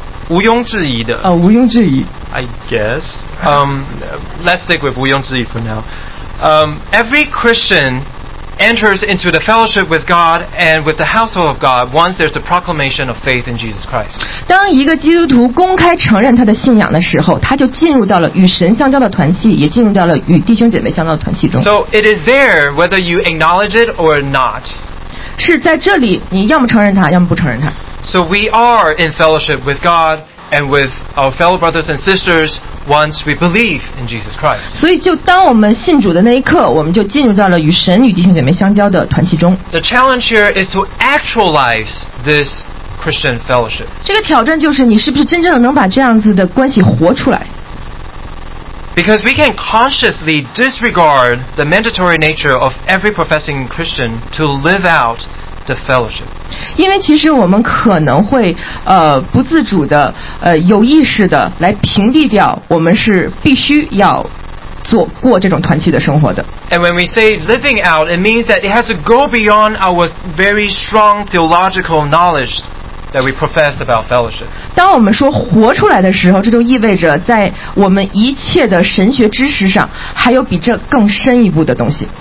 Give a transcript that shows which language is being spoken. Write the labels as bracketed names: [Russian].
[Chinese] 毋庸置疑 [English] I guess let's stick with [Chinese] 毋庸置疑 [English] for now every Christian enters into the fellowship with God and with the household of God once there's the proclamation of faith in Jesus Christ. [Chinese] 当一个基督徒公开承认他的信仰的时候，他就进入到了与神相交的团契，也进入到了与弟兄姐妹相交的团契中。 [English] So it is there whether you acknowledge it or not. [Chinese] 是在这里，你要么承认他，要么不承认他。 [English] So we are in fellowship with God and with our fellow brothers and sisters. Once we believe in Jesus Christ. [Chinese] 所以就当我们信主的那一刻，我们就进入到了与神与弟兄姐妹相交的团契中。 [English] The challenge here is to actualize this Christian fellowship. [Chinese] 这个挑战就是你是不是真正的能把这样子的关系活出来。 [English] Because we can consciously disregard the mandatory nature of every professing Christian to live out the fellowship. [Chinese] 因为其实我们可能会不自主的有意识的来屏蔽掉我们是必须要做过这种团契的生活的。 [English] And when we say living out, it means that it has to go beyond our very strong theological knowledge. That we profess about fellowship. [Chinese] 当我们说活出来的时候，这就意味着在我们一切的神学知识上，还有比这更深一步的东西。